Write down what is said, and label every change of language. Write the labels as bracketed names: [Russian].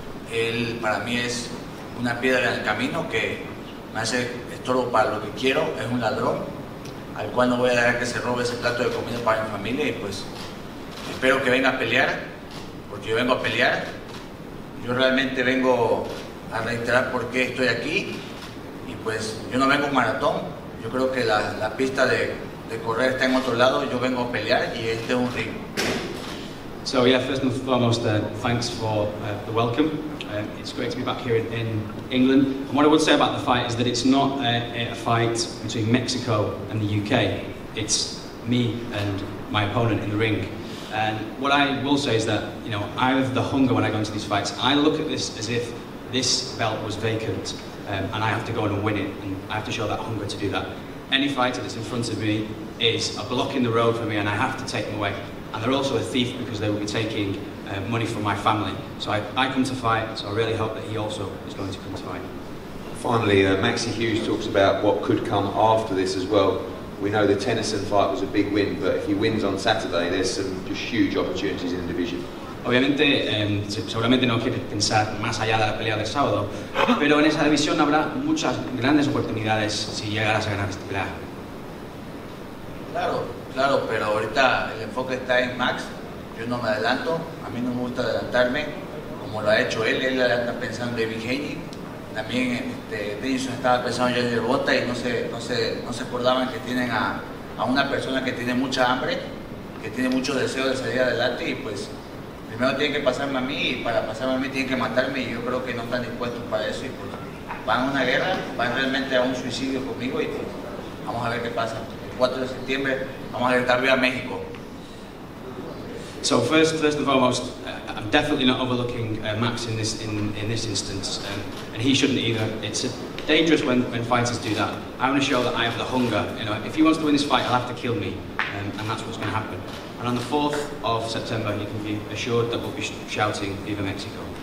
[Spanish] Él para mí es una piedra en el camino que me hace estorbo para lo que quiero, es un ladrón al cual no voy a dejar que se robe ese plato de comida para mi familia, y pues espero que venga a pelear, porque yo vengo a pelear. Yo realmente vengo a reiterar por qué estoy aquí, y pues yo no vengo a un maratón. Yo creo que la pista de correr está en otro lado. Yo vengo a pelear y este es un ring. [English] So yeah, first and foremost, thanks for the welcome. It's great to be back here in England. And what I would say about the fight is that it's not a fight between Mexico and the UK. It's me and my opponent in the ring. And what I will say is that, I have the hunger when I go into these fights. I look at this as if this belt was vacant and I have to go in and win it. And I have to show that hunger to do that. Any fighter that's in front of me is a block in the road for me, and I have to take them away. And they're also a thief, because they will be taking money from my family. So I come to fight, so I really hope that he also is going to come to fight. Finally, Maxi Hughes talks about what could come after this as well. We know the Tennyson fight was a big win, but if he wins on Saturday, there's some just huge opportunities in the division. [Spanish] Obviamente, seguramente no quiere pensar más allá de la pelea del sábado, pero en esa división habrá muchas grandes oportunidades si llegaras a ganar esta pelea. Claro. Claro, pero ahorita el enfoque está en Max. Yo no me adelanto, a mí no me gusta adelantarme, como lo ha hecho él. Él anda pensando en David Haney, también Dennison estaba pensando en Jerry Bota, y no se acordaban que tienen a una persona que tiene mucha hambre. que tiene mucho deseo de salir adelante y pues primero tiene que pasarme a mí y para pasarme a mí tiene que matarme y yo creo que no están dispuestos para eso y pues van a una guerra, van realmente a un suicidio conmigo y pues vamos a ver qué pasa. El 4 de septiembre vamos a gritar viva México. [English] So first and foremost, I'm definitely not overlooking Max in this instance, and he shouldn't either. It's dangerous when fighters do that. I want to show that I have the hunger. You know, if he wants to win this fight, he'll have to kill me, and that's what's going to happen. And on the 4th of September, you can be assured that we'll be shouting Viva Mexico.